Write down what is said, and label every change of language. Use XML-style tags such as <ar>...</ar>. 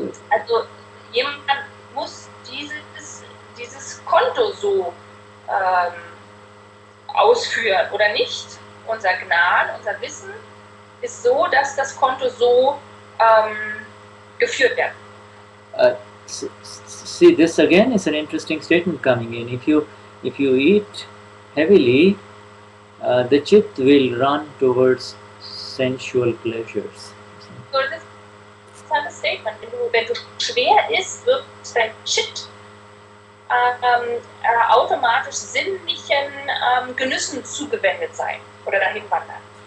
<de>Also jemand muss dieses Konto so ausführen, oder nicht? Unser Gnan, unser Wissen ist so, dass das Konto so geführt wird.</de> <en>See, this again is an interesting statement coming in. If you eat heavily, the chit will run towards sensual pleasures. So this is a statement.</en> <de>Wenn du schwer isst, wird dein Chit automatisch sinnlichen Genüssen zugewendet sein oder dahin wandern.</de>